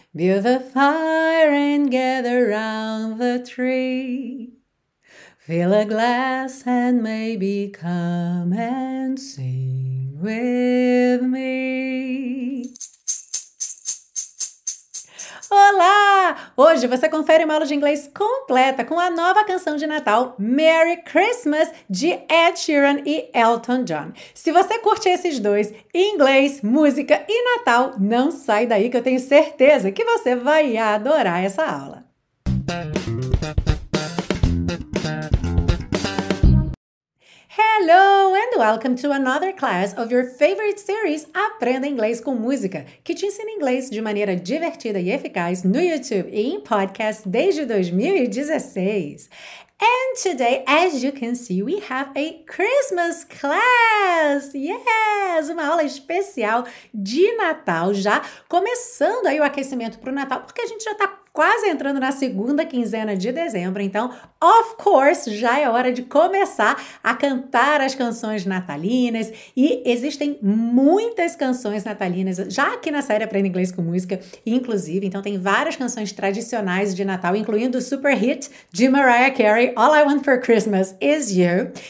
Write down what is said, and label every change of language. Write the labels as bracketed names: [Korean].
[English] Build a fire and gather round the tree. Fill a glass and maybe come and sing with me. [Portuguese] Olá! Hoje você confere uma aula de inglês completa com a nova canção de Natal, Merry Christmas, de Ed Sheeran e Elton John. Se você curte esses dois, inglês, música e Natal, não sai daí que eu tenho certeza que você vai adorar essa aula. [English] Hello and welcome to another class of your favorite series [Portuguese] Aprenda Inglês com Música, que te ensina inglês de maneira divertida e eficaz no YouTube e em podcast desde 2016. [English] And today, as you can see, we have a Christmas class! Yes! [Portuguese] Uma aula especial de Natal, já começando aí o aquecimento para o Natal, porque a gente já está quase entrando na segunda quinzena de dezembro, então, [English] of course, [Portuguese] já é hora de começar a cantar as canções natalinas, e existem muitas canções natalinas, já aqui na série Aprenda Inglês com Música, inclusive, então tem várias canções tradicionais de Natal, incluindo o super hit de Mariah Carey, All I Want for Christmas Is You,